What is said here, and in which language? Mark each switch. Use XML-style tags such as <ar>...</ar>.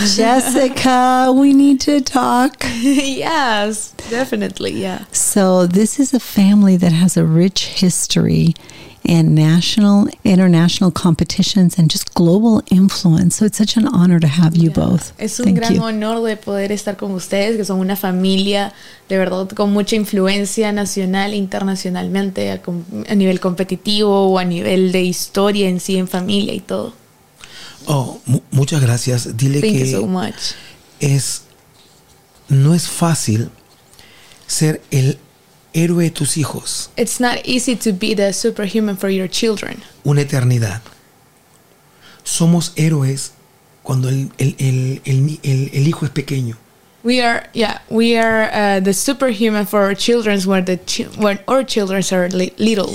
<en>Jessica, we need to talk. Yes, definitely, yeah. So this is a family that has a rich history and national, international competitions and just global influence. So it's such an honor to have you both.</en> <es>Es un gran honor de poder estar con ustedes, que son una familia, de verdad, con mucha influencia nacional, internacionalmente, a nivel competitivo o a nivel de historia en sí, en familia y todo. Oh, muchas gracias. Dile</es> <en>Thank</en> <es>que</es> <en>you so much.</en> <es>Es, no es fácil ser el héroe de tus hijos.</es> <en>It's not easy to be the superhuman for your children.</en> <es>Una eternidad. Somos héroes cuando el hijo es pequeño.</es> <en>We are the superhuman for our children when our children are little.</en>